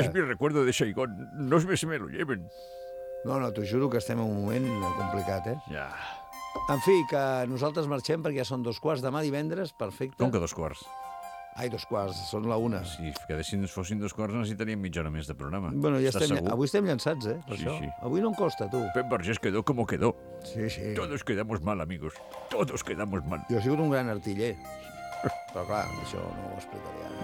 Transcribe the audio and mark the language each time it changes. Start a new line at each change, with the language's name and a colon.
Spanish: És mi recuerdo de Saigón. No és més si me lo lleven.
Catalan: No, no, t'ho juro que estem en un moment complicat, eh? Ja. En fi, que nosaltres marxem perquè ja són 2:15. Demà divendres, perfecte. Com que 2:15? Ai, 2:15, són 1:00. Si quedessin, fossin 2:15, necessitaríem mitja hora més de programa. Bueno, ja estem, avui estem llançats, eh? Sí, sí. Avui no em costa, tu.
Spanish: Pep Vergés quedó com quedó. Sí, sí. Todos quedamos mal, amigos. Todos quedamos mal.
Catalan: Jo he sigut un gran artiller. Però clar, això no ho explicaré ara.